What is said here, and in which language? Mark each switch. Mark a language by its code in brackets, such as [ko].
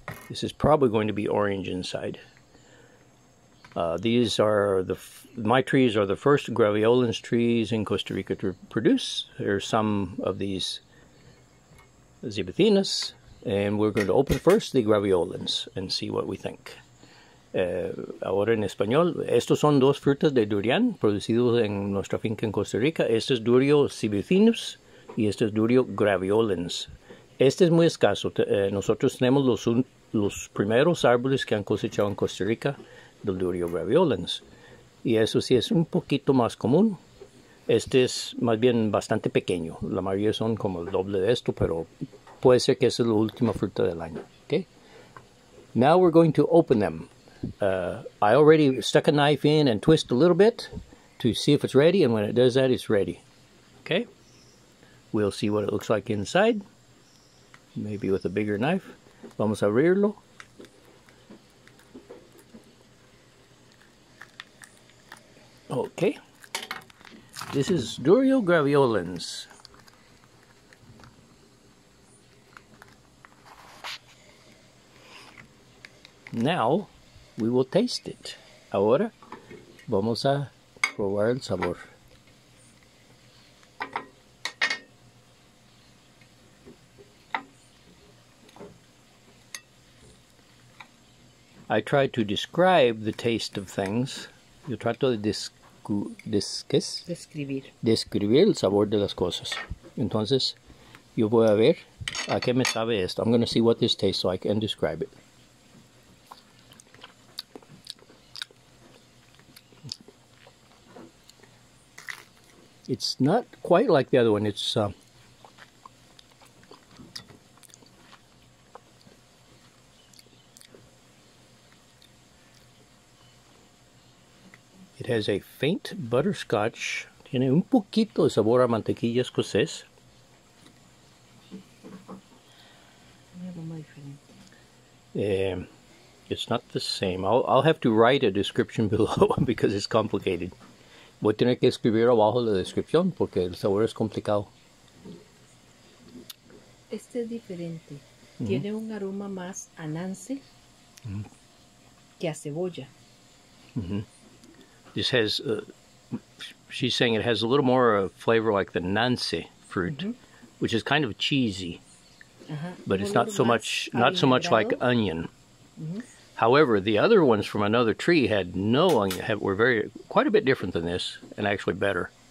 [en] This is probably going to be orange inside. These are my trees are the first graveolens trees in Costa Rica to produce. There are some of these zibethinus, and we're going to open first the graveolens and see what we think. [es] Ahora en español, estos son dos frutas de durian producidos en nuestra finca en Costa Rica. Este es durio zibethinus y este es durio graveolens. Este es muy escaso. Nosotros tenemos los primeros árboles que han cosechado en Costa Rica del durio graveolens. Y eso sí es un poquito más común. Este es más bien bastante pequeño. La mayoría son como el doble de esto, pero puede ser que esa es la última fruta del año. [en] Okay? Now we're going to open them. I already stuck a knife in and twist a little bit to see if it's ready, and when it does that, it's ready. Okay? We'll see what it looks like inside. Maybe with a bigger knife. [es] Vamos a abrirlo. [en] Okay. This is Durio graveolens. Now, we will taste it. [es] Ahora, vamos a probar el sabor. [en] I try to describe the taste of things. [es] Yo trato de describir el sabor de las cosas. Entonces, yo voy a ver a qué me sabe esto. [en] I'm going to see what this tastes like and describe it. It's not quite like the other one. It's it has a faint butterscotch. [es] Tiene un poquito de sabor a mantequilla escocés. [en] It's not the same. I'll have to write a description below because it's complicated. [es] Voy a tener que escribir abajo la descripción porque el sabor es complicado. Este es diferente. Mm-hmm. Tiene un aroma más a nance que a cebolla. Mm-hmm. [en] This has, she's saying it has a little more flavor like the nance fruit, mm-hmm. which is kind of cheesy. Uh-huh. But it's not so much like onion. Mm-hmm. However, the other ones from another tree had no onion, were very quite a bit different than this, and actually better.